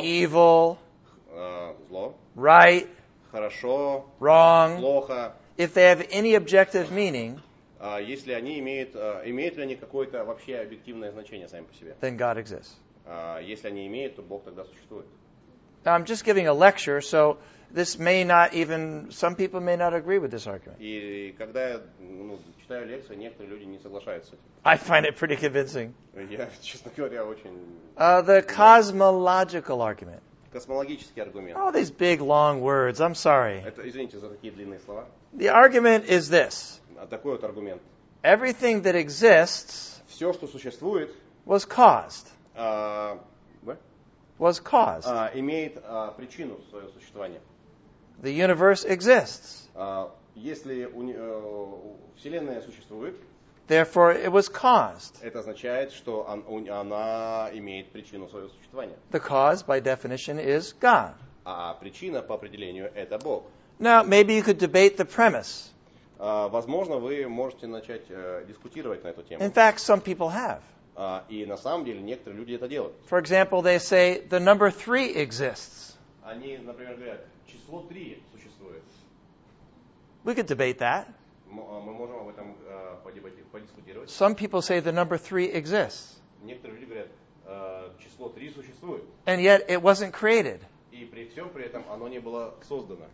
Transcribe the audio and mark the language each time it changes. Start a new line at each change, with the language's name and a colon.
English: evil,
Russian: зло,
English: right,
Russian: хорошо,
English: wrong,
Russian: плохо,
English: if they have any objective meaning,
Russian: если они имеют ли они какое-то вообще объективное значение сами по себе,
English: then God exists.
Russian: Если они имеют, то Бог тогда существует.
English: Now, I'm just giving a lecture, so this may not even, some people may not agree with this argument.
Russian: И когда я, ну, читаю лекцию, некоторые люди не соглашаются.
English: I find it pretty convincing.
Russian: Я, честно говоря, очень...
English: The cosmological argument.
Russian: Космологический аргумент.
English: All these big, long words, I'm sorry.
Russian: Это, извините за такие длинные слова.
English: The argument is this.
Russian: А такой вот аргумент.
English: Everything that exists...
Russian: Все, что существует...
English: Was caused. Was caused.
Russian: Имеет причину своего существования.
English: The universe exists.
Russian: Если Вселенная существует,
English: therefore it was caused.
Russian: Это означает, что она имеет причину своего существования.
English: The cause, by definition, is God.
Russian: А причина по определению это Бог.
English: Now maybe you could debate the premise.
Russian: Возможно, вы можете начать дискутировать на эту тему.
English: In fact, some people have.
Russian: И на самом деле некоторые люди это делают.
English: For example, they say the number three exists.
Russian: Они, например, говорят, число три существует.
English: We could debate that.
Russian: Мы можем об этом подискутировать.
English: Some people say the number three exists.
Russian: Некоторые люди говорят, число три существует.
English: And yet it wasn't created.
Russian: И при всем при этом оно не было создано.